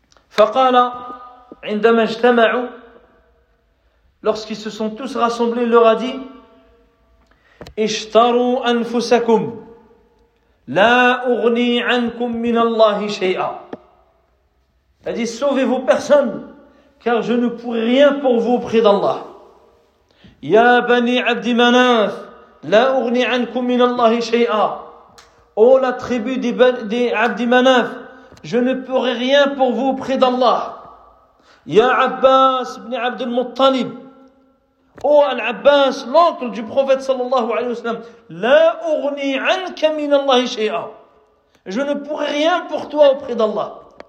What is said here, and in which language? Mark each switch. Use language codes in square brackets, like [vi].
[ar] Faqala, عندما اجتمعوا [fr] lorsqu'ils se sont tous rassemblés, il leur a dit [ar] اشتروا انفسكم لا اغني عنكم من الله شيئا. [fr] Il a dit sauvez-vous personne car je ne pourrai rien pour vous auprès d'Allah. [ar] يا بني عبد مناف لا اغني عنكم من الله شيئا. [fr] Ô la tribu des عبد مناف, je ne pourrai rien pour vous auprès d'Allah. Ya Abbas ibn Abd al-Muttalib. Ô Al-Abbas, l'oncle du prophète [ar] sallallahu alayhi wa sallam. La ugni anka min Allah shay'a. [fr] Je ne pourrai rien pour toi auprès d'Allah.